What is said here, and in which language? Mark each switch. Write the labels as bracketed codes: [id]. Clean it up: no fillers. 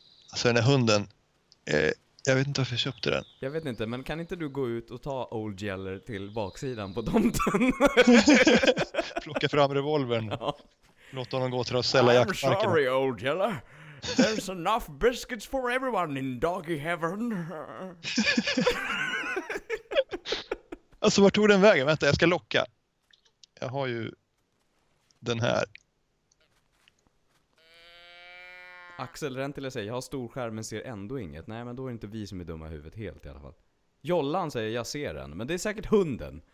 [sv] Alltså den där hunden, jag vet inte varför jag köpte den. Jag vet inte, men kan inte du gå ut och ta Old Yeller till baksidan på tomten? Plocka fram revolvern. Ja. Låt honom gå till att sälja jaktmarken. [en] I'm sorry, Old Yeller. There's enough biscuits for everyone in doggy heaven. [sv] Alltså vart tog den vägen? Vänta, jag ska locka. Jag har ju den här. Axel rent till att säga, jag har stor skärm men ser ändå inget. Nej, men då är det inte vi som är dumma i huvudet helt i alla fall. Jollan säger, jag ser den. Men det är säkert hunden.